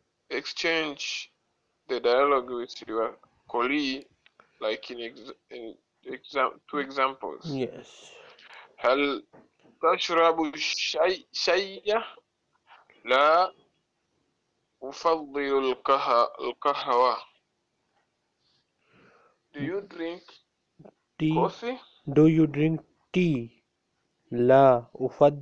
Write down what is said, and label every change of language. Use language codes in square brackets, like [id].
[en] Exchange the dialogue with your colleague like in two examples. Yes. [ar] هل تشرب الشاي؟ لا أفضل القهوة. [en] Do you drink tea coffee? Do you drink tea? [ar] لا أفضل